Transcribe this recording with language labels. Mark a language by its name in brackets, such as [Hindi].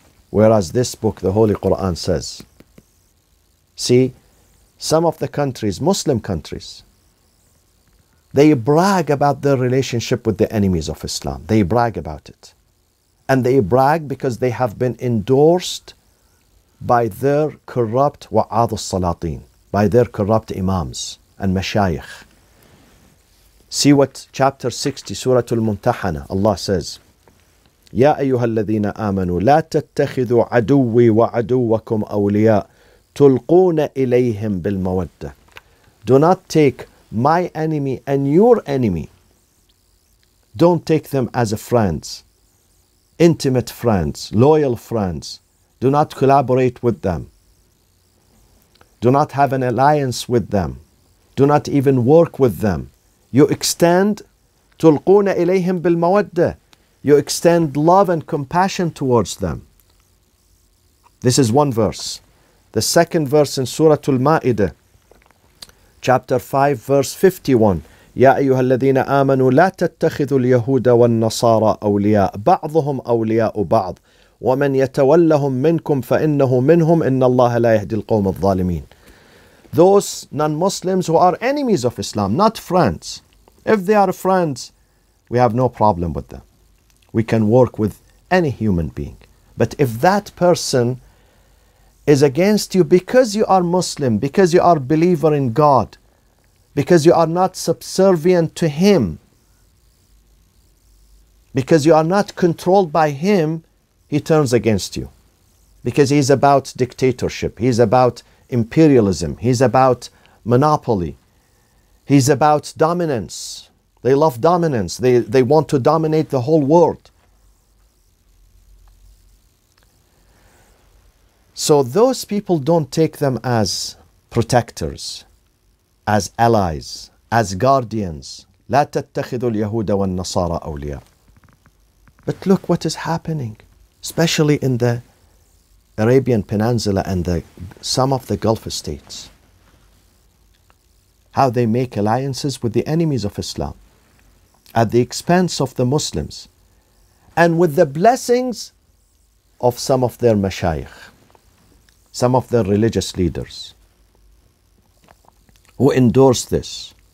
[English] Whereas this book, the Holy Quran, says, see, some of the countries, Muslim countries, they brag about their relationship with the enemies of Islam. They brag about it. And they brag because they have been endorsed by their corrupt wa'ad al-salatin, by their corrupt imams and mashayikh. See what chapter 60, Surah Al-Mumtahana, Allah says, [Arabic] يَا أَيُّهَا الَّذِينَ آمَنُوا لَا تَتَّخِذُوا عَدُوِّي وَعَدُوَّكُمْ أَوْلِيَاءَ تُلْقُونَ إِلَيْهِمْ بِالْمَوَدَّةِ. [English] Do not take my enemy and your enemy. Don't take them as a friends, intimate friends, loyal friends. Do not collaborate with them. Do not have an alliance with them. Do not even work with them. You extend [Arabic] تُلْقُونَ إِلَيْهِمْ بِالْمَوَدَّةِ. [English] You extend love and compassion towards them. This is one verse. The second verse in Surah Al-Ma'idah, chapter 5, verse 51. [Arabic] يَا أَيُّهَا الَّذِينَ آمَنُوا لَا تَتَّخِذُوا الْيَهُودَ وَالنَّصَارَى أَوْلِيَاءَ بَعْضُهُمْ أَوْلِيَاءُ بَعْضٍ وَمَنْ يَتَوَلَّهُمْ مِنْكُمْ فَإِنَّهُ مِنْهُمْ إِنَّ اللَّهَ لَا يَهْدِي الْقَوْمَ الظَّالِمِينَ. [English] Those non-Muslims who are enemies of Islam, not friends. If they are friends, we have no problem with them. We can work with any human being. But if that person is against you because you are Muslim, because you are a believer in God, because you are not subservient to Him, because you are not controlled by Him, He turns against you. Because He's about dictatorship, He's about imperialism, He's about monopoly, He's about dominance. They love dominance. They want to dominate the whole world. So those people, don't take them as protectors, as allies, as guardians. [Arabic] لا تتخذوا اليهود والنصارى أولياء. [English] But look what is happening, especially in the Arabian Peninsula and some of the Gulf states. How they make alliances with the enemies of Islam at the expense of the Muslims and with the blessings of some of their mashayikh, some of their religious leaders who endorse this.